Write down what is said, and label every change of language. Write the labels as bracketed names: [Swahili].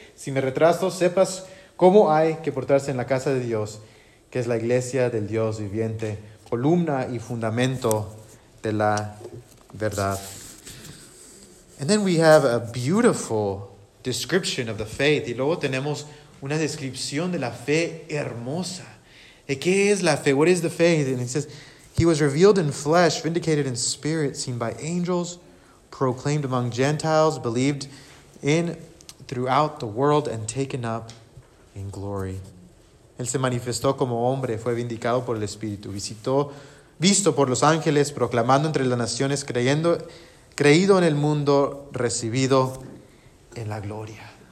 [Spanish] Si me retraso, sepas cómo hay que portarse en la casa de Dios, que es la iglesia del Dios viviente, columna y fundamento de la verdad. [English] And then we have a beautiful description of the faith. [Spanish] Y luego tenemos una descripción de la fe hermosa. ¿Qué es la fe? [English] What is the faith? And it says, he was revealed in flesh, vindicated in spirit, seen by angels, proclaimed among Gentiles, believed in throughout the world, and taken up in glory. [Spanish] Él se manifestó como hombre, fue vindicado por el Espíritu, visto por los ángeles, proclamando entre las naciones, creído en el mundo, recibido en la gloria.